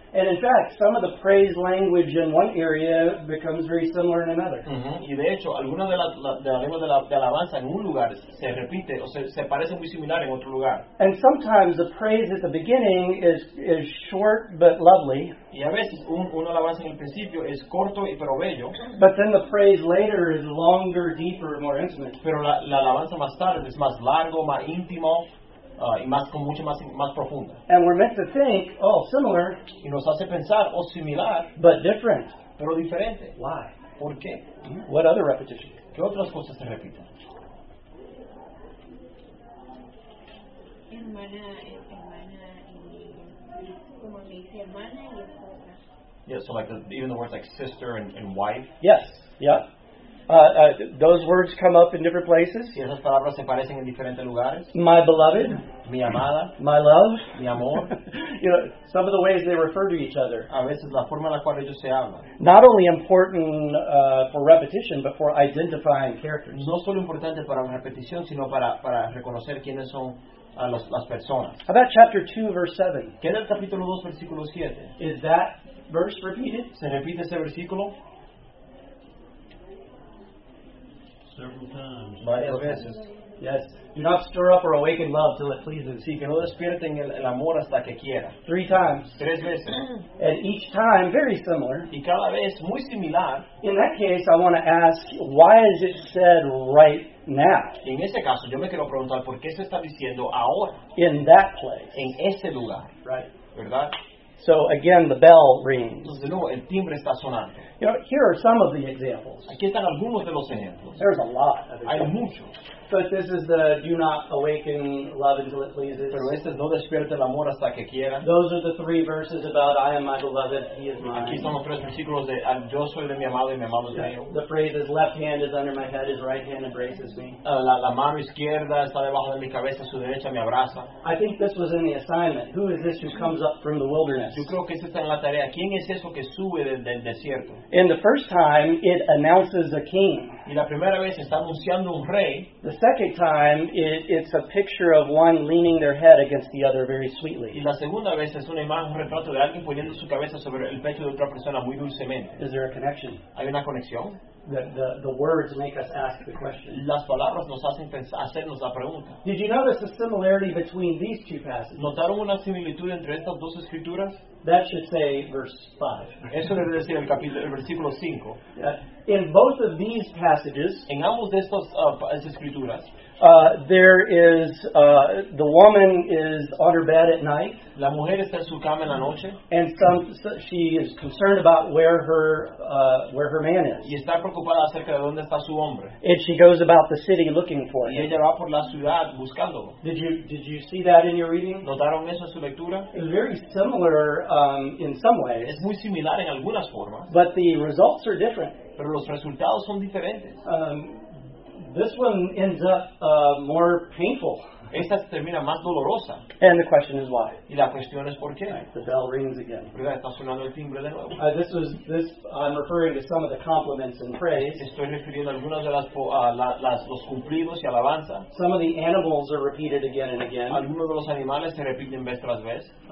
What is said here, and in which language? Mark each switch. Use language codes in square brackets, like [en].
[en] And in fact, some of the praise language in one area becomes very similar in another. [es] Mm-hmm. Y de hecho, alguna de la lengua de alabanza en un lugar se repite o se parece muy similar en otro lugar. [en] And sometimes the praise at the beginning is short but lovely. [es] Y a veces uno alabanza en el principio es corto y pero bello. [en] But then the phrase later is longer, deeper, more intimate. [es] Pero la alabanza más tarde es más largo, más íntimo, y más con mucho más profunda. [en] And we're meant to think, oh, similar. [es] Y nos hace pensar, oh, similar. [en] But different. [es] Pero diferente. [en] Why? [es] ¿Por qué? [en] What other repetition? [es] ¿Qué otras cosas se repiten? [en] Yeah, so like even the words like sister and wife. Yes, yeah. Those words come up in different places. [es] Y esas palabras se parecen en diferentes lugares. [en] My beloved. [es] Mi amada. [en] My love. [es] Mi amor. [en] You know, some of the ways they refer to each other. [es] A veces la forma en la cual ellos se hablan. [en] Not only important for repetition, but for identifying characters. [es] No solo importante para la repetición, sino para reconocer quiénes son. A las personas. [en] How about chapter 2, verse 7? [es] ¿Qué es el capítulo 2, versículo 7? [en] Is that verse repeated? [es] ¿Se repite ese versículo? [en] Several times. [es] Varias veces. [en] Yes. Do not stir up or awaken love till it pleases. [es] Sí, que no despierten el amor hasta que quiera. [en] Three times. [es] Tres veces. [en] And each time, very similar. [es] Y cada vez, muy similar. [en] In that case, I want to ask, why is it said right now? [es] En ese caso, yo me quiero preguntar, ¿por qué se está diciendo ahora? [en] In that place. [es] En ese lugar. [en] Right. [es] ¿Verdad? [en] So again, the bell rings. [es] Entonces, de nuevo, el timbre está sonando. [en] You know, here are some of the examples. [es] Aquí están algunos de los ejemplos. [en] There's a lot of examples. [es] Hay muchos. [en] But this is the do not awaken love until it pleases. [es] Pero este es no despierte el amor hasta que quiera. [en] Those are the three verses about I am my beloved, he is mine. [es] Aquí son los tres versículos de yo soy de mi amado y mi amado es mío. [en] The phrase is left hand is under my head, his right hand embraces me. [es] La mano izquierda está debajo de mi cabeza, su derecha me abraza. [en] I think this was in the assignment. Who is this who comes up from the wilderness? [es] Yo creo que esta está en la tarea. ¿Quién es eso que sube del desierto? [en] In the first time, it announces a king. [es] Y la primera vez está anunciando un rey. [en] The second time, it's a picture of one leaning their head against the other very sweetly. [es] Y la segunda vez es una imagen, un retrato de alguien poniendo su cabeza sobre el pecho de otra persona muy dulcemente. [en] Is there a connection? [es] ¿Hay una conexión? [en] The words make us ask the question. [es] Las palabras nos hacen hacernos la pregunta. [en] Did you notice a similarity between these two passages? [es] ¿Notaron una similitud entre estas dos escrituras? [en] That should say verse 5. [es] Eso debe decir el versículo 5. [en] In both of these passages, [es] en ambos de estas escrituras, [en] there is the woman is on her bed at night. [es] La mujer está en su cama en la noche. [en] And she is concerned about where her man is. [es] Y está preocupada acerca de dónde está su hombre. [en] And she goes about the city looking for him. [es] Y ella va por la ciudad buscándolo. [en] Did you see that in your reading? [es] ¿Notaron eso en su lectura? [en] It's very similar in some ways. [es] Es muy similar en algunas formas. [en] But the results are different. [es] Pero los resultados son diferentes. [en] This one ends up more painful. [es] Esta termina más dolorosa. [en] And the question is why? [es] Y la cuestión es por qué. [en] Right, the bell rings again. [es] ¿Verdad? Está sonando el timbre de nuevo. [en] I'm referring to some of the compliments and praise. [es] Estoy refiriendo a algunas de los cumplidos y alabanza. [en] Some of the animals are repeated again and again. [es] Algunos de los animales se repiten vez tras vez.